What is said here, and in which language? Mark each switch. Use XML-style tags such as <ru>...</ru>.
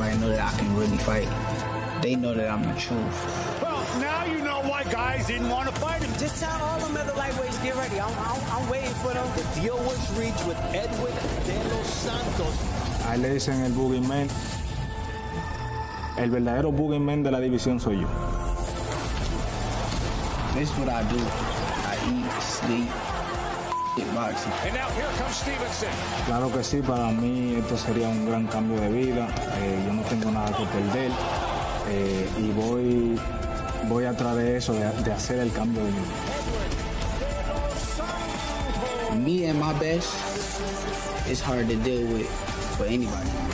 <en>that I can really fight. They know that I'm the truth. Well, now you know why guys didn't want to fight him. Just tell all them other lightweights, get ready. I'm waiting for them. The deal was reached with Edwin De Los Santos.</en> <es>Ahí le dicen el boogeyman. El verdadero boogeyman de la división soy yo.</es> <en>This is what I do. I eat, sleep, f***ing boxing. And now here comes Stevenson.</en> <es>Claro que sí, para mí esto sería un gran cambio de vida. Yo no tengo nada que perder. Y voy a través de eso, de hacer el cambio de vida.</es> <en>Me and my best is hard to deal with for anybody.</en>